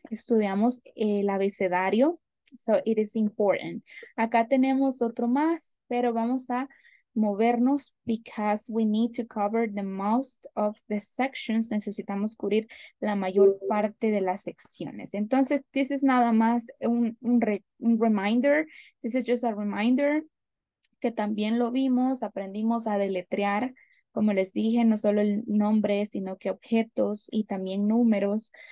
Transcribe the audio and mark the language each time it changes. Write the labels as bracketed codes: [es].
[es] Estudiamos el abecedario. [en] So it is important. [es] Acá tenemos otro más, pero vamos a movernos [en] because we need to cover the most of the sections. [es] Necesitamos cubrir la mayor parte de las secciones. Entonces, [en] this is [es] nada más un reminder. [en] This is just a reminder [es] que también lo vimos, aprendimos a deletrear, como les dije, no solo el nombre, sino que objetos y también números.